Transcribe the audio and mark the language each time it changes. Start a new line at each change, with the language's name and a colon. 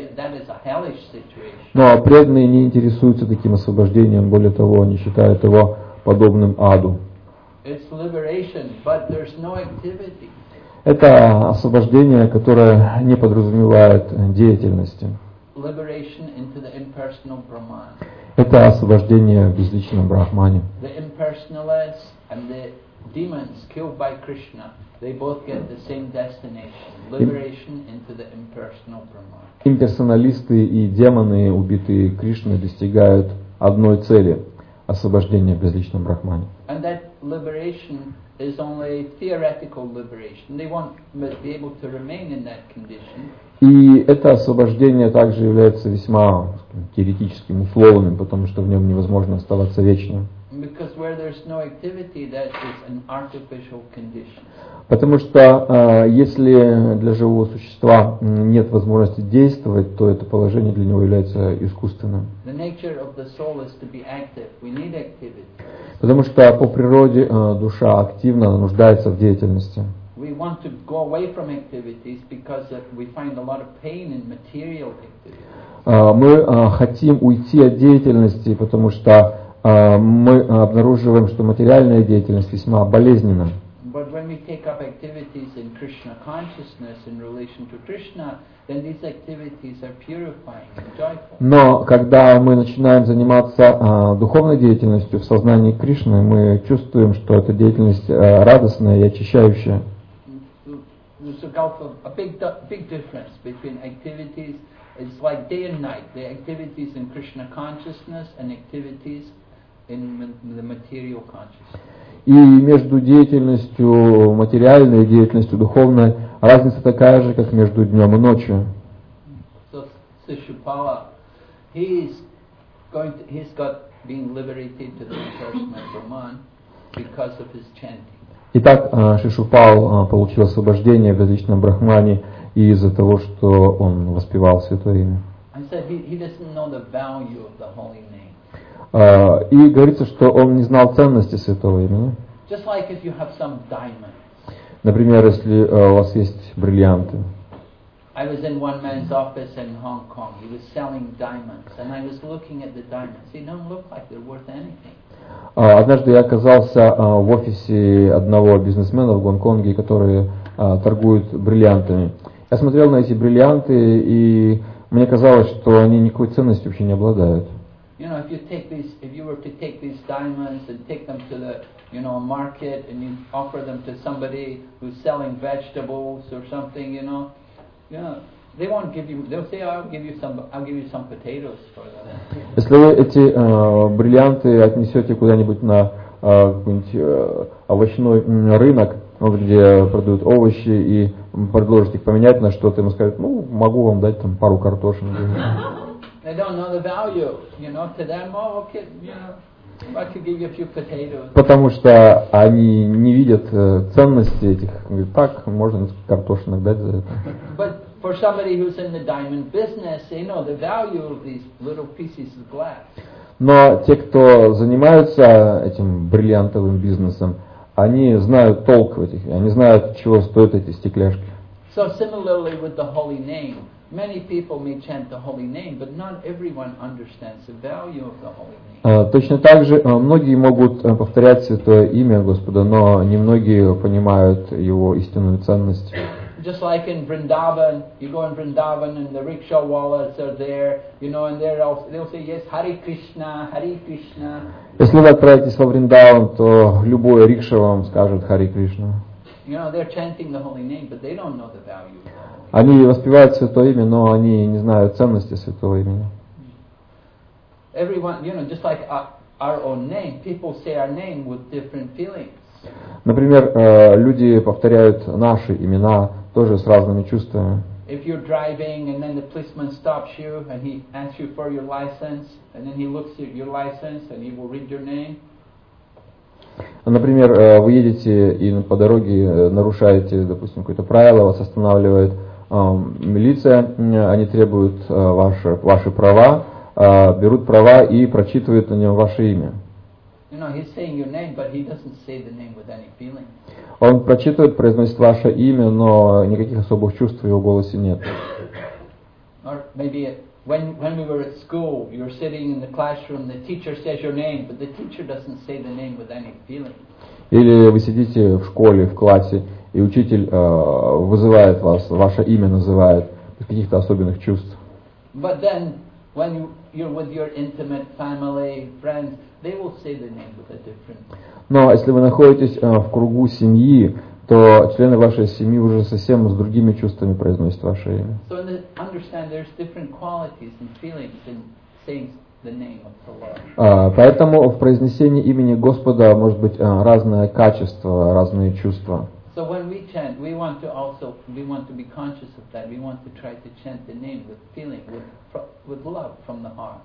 English: That is a hellish situation.
Russian: Но преданные не интересуются таким освобождением, более того, они считают его подобным аду.
English: It's liberation, but there's no activity.
Russian: Это освобождение, которое не подразумевает деятельности.
English: Liberation into the impersonal Brahman.
Russian: Это освобождение в безличном Брахмане.
English: The impersonalists and the demons killed by Krishna, they both get the same destination. Liberation into the impersonal Brahman.
Russian: Имперсоналисты и демоны, убитые Кришной, достигают одной цели – освобождения в безличном Брахмане.
English: And that liberation is only theoretical liberation. They want to be able to remain in that condition.
Russian: И это освобождение также является весьма теоретическим, условным, потому что в нем невозможно оставаться вечно.
English: Because where there's no activity, that is an artificial condition.
Russian: Потому что если для живого существа нет возможности действовать, то это положение для него является искусственным.
English: The nature of the soul is to be active. We need activity.
Russian: Потому что по природе душа активна, она нуждается в деятельности.
English: We want to go away from activities because we find a lot of pain in material activities.
Russian: Мы хотим уйти от деятельности, потому что мы обнаруживаем, что материальная деятельность весьма болезненна.
English: But when we take up activities in Krishna consciousness in relation to Krishna, then these activities are purifying and joyful.
Russian: Но когда мы начинаем заниматься духовной деятельностью в сознании Кришны, мы чувствуем, что эта деятельность радостная и очищающая.
English: There's a gulf of a big difference between activities. It's like day and night. The activities in Krishna consciousness and activities in the material consciousness.
Russian: И между деятельностью материальной и деятельностью духовной разница такая же, как между днем и ночью.
English: So Sishupala, he's got being liberated to the impersonal Brahman because of his chanting.
Russian: Итак, Шишупал получил освобождение в безличном Брахмане из-за того, что он воспевал святое имя.
English: I said he doesn't know the value of the holy name.
Russian: И говорится, что он не знал ценности святого имени.
English: Just like if you have some diamonds.
Russian: Например, если у вас есть бриллианты.
English: I was in one man's office in Hong Kong. He was selling diamonds, and I was looking at the diamonds. They don't look like they're worth anything.
Russian: Однажды я оказался в офисе одного бизнесмена в Гонконге, который торгует бриллиантами. Я смотрел на эти бриллианты, и мне казалось, что они никакой ценности вообще не обладают.
English: You know, if you take these, if you were to take these diamonds and take them to the, you know, market and you offer them to somebody who's selling vegetables or something, you know, they won't give you. They'll say, "I'll give you some potatoes for them."
Russian: Если вы эти бриллианты отнесете куда-нибудь на какой-нибудь овощной рынок, где продают овощи, и предложите их поменять на что-то, ему скажут: "Ну, могу вам дать там пару картошин."
English: They don't know the value, you know. To them, I could give you a few potatoes.
Russian: Потому что они не видят ценности этих. Говорят: "Так, можно несколько картошин дать за это."
English: For somebody who's in the diamond business, they know the value of these little pieces of glass.
Russian: Но те, кто занимаются этим бриллиантовым бизнесом, они знают толк в этих, они знают, чего стоят эти стекляшки.
English: So similarly with the holy name, many people may chant the holy name, but not everyone understands the value of the holy name.
Russian: Точно так же многие могут повторять святое имя Господа, но немногие понимают его истинную ценность.
English: Just like in Vrindavan, you go in Vrindavan and the rickshaw wallahs are there, you know, and they'll say, yes, Hare Krishna, Hare Krishna.
Russian: Если вы отправитесь во Вриндаван, то любой рикша вам скажет Hare Krishna.
English: You know, they're chanting the holy name, but they don't know the value of it.
Russian: Они воспевают святое имя, но они не знают ценности святого имени.
English: Everyone, you know, just like our own name, people say our name with different feelings.
Russian: Например, люди повторяют наши имена тоже с разными чувствами.
English: If you're driving and then the policeman stops you and he asks you for your license and then he looks at your license and he will read your name.
Russian: Например, вы едете и по дороге нарушаете, допустим, какое-то правило, вас останавливает милиция, они требуют ваши права, берут права и прочитывают на нем ваше имя.
English: You know, he's saying your name, but he doesn't say the name with any feeling.
Russian: Он прочитывает, произносит ваше имя, но никаких особых чувств в его голосе нет.
English: Or maybe when we were at school, you're sitting in the classroom, the teacher says your name, but the teacher doesn't say the name with any feeling.
Russian: Или вы сидите в школе, в классе, и учитель вызывает вас, ваше имя называет, без каких-то особенных чувств.
English: But then, when you're with your intimate family, friends, they will say the name with a different.
Russian: Но если вы находитесь в кругу семьи, то члены вашей семьи уже совсем с другими чувствами произносят ваше имя.
English: So understand, there's different qualities and feelings in saying the name of the Lord.
Russian: Поэтому в произнесении имени Господа может быть разное качество, разные чувства.
English: So when we chant, we want to be conscious of that. We want to try to chant the name with feeling, with love from the heart.